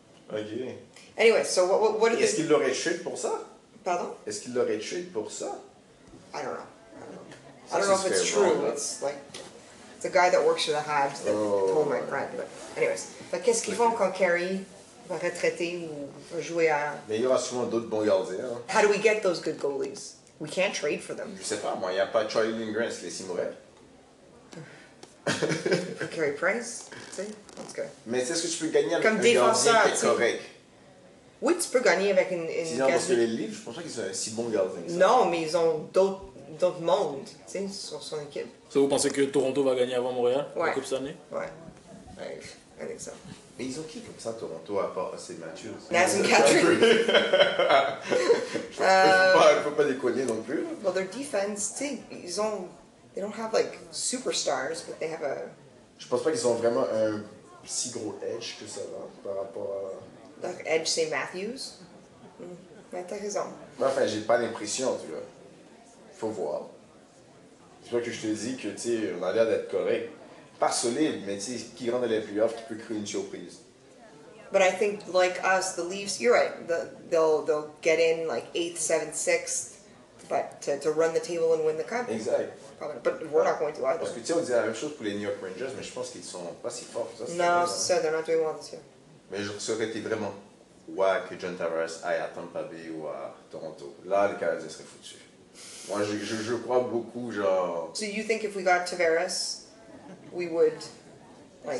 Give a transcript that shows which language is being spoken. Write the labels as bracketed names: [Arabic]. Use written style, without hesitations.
[English] OK. Anyway, so what [French] est-ce qu'il l'aurait tué pour ça? Pardon? Est-ce qu'il l'aurait tué pour ça? [English] I don't know. I don't know if it's true. Vrai, it's, like, it's a guy that works for the Habs that told my friend. But anyways. But [French] qu'est-ce qu'ils font quand Carey va retraiter ou va jouer à... Mais il y aura sûrement d'autres bons gardiens. Hein? [English] How do we get those good goalies? We can't trade for them. [French] Je sais pas, moi, il n'y a pas Charlie Lindgren, c'est les Simorelles. Carey Price, tu sais, [English] that's good. [French] Mais est-ce que tu peux gagner avec comme un défenseur, gardien qui est correct? Oui, tu peux gagner avec un gardien. Sinon, parce que les Leafs, je pense pas qu'ils sont un si bon gardien. Non, mais ils ont d'autres mondes, tu sais, sur son équipe. So, vous pensez que Toronto va gagner avant Montréal, ouais. La Coupe cette année? [English] Ouais, I think so. [French] Mais ils ont qui comme ça à Toronto à part Austin Matthews? Nazem Kadri. Il faut pas déconner non plus. [English] Well, their defense, [French] tu sais, ils ont... [English] They don't have, like, superstars, but they have a... [French] Je pense pas qu'ils ont vraiment un si gros edge que ça va par rapport à... Donc, edge, c'est Matthews? Mais t'as raison. Mais enfin, j'ai pas l'impression, tu vois. Faut voir. C'est pas que je te dis que, tu sais, on a l'air d'être correct. Pas solide, mais tu sais, qui rentre dans les playoffs, qui peut créer une surprise. [English] But I think, like us, the Leafs, you're right, they'll get in like 8th, 7th, 6th, but to run the table and win the cup. [French] Exact. [English] Probably, but we're not going to either. [French] Parce que tu sais, on disait la même chose pour les New York Rangers, mais je pense qu'ils sont pas si forts. Ça, non, c'est ça, [English] they're not doing well this year. [French] Mais je serais été vraiment wow que John Tavares aille à Tampa Bay ou à Toronto. Là, les Canadiens seraient foutus. Moi, je crois beaucoup, genre... [English] So you think if we got Tavares, we would, like...